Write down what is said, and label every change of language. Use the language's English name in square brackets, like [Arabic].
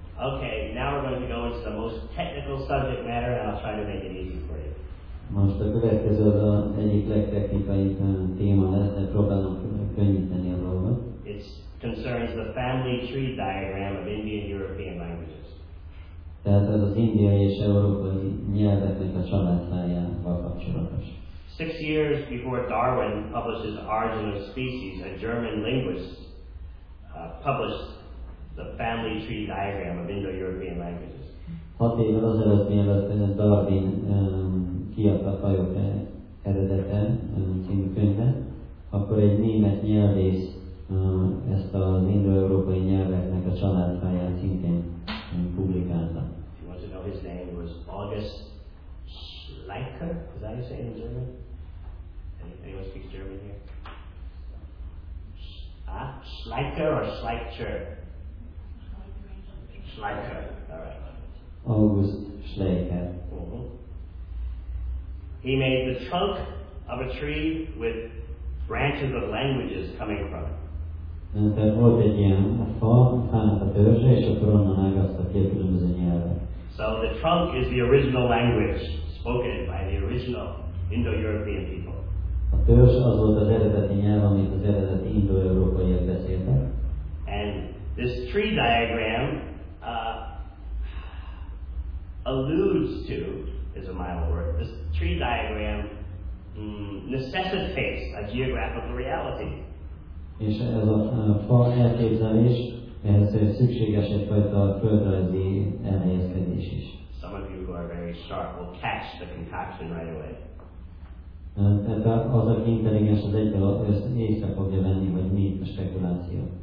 [English] Okay, now we're going to go into the most technical subject matter, and I'll try to make it easy for you. [Hungarian] Most a következő az egyik legtechnikai téma lesz, de próbálom könnyíteni a dolgot. [English] It concerns the family tree diagram of Indian-European languages. [Hungarian] Tehát ez az indiai és európai nyelveknek a családtájával kapcsolatos. [English] 6 years before Darwin publishes Origin of Species, a German linguist published the family tree diagram of Indo-European languages. [Hungarian] 6 évvel azelőtt, mielőtt Darwin kiadta a fajok eredete című könyvet, akkor egy német nyelvész ezt az indo-európai nyelveknek a családfáján szintén publikálta. [English] If you want to know his name, it was August Schleicher, is that how you say in German? Anyone speak German here? Schleicher or Schleicher? Schleicher, alright. August Schleicher. Mm-hmm. He made the trunk of a tree with branches of languages coming from it. [Hungarian] Volt egy ilyen fa, fának a törzse, és akkor onnan ágazta ki a különböző nyelvet. [English] So the trunk is the original language spoken by the original Indo-European people. [Hungarian] A törzs az volt az eredeti nyelv, amit az eredeti indo-európaiak beszéltek. [English] And this tree diagram alludes to, is a mild word, this tree diagram necessitates a geographical reality. [Hungarian] És ez a fa elképzelés, ez szükséges egyfajta földrajzi elhelyezkedés is. [English] Some of you who are very sharp will catch the concoction right away. [Hungarian] Tehát az, aki intelligens, az egyből észre fogja venni, hogy mi a spekuláció.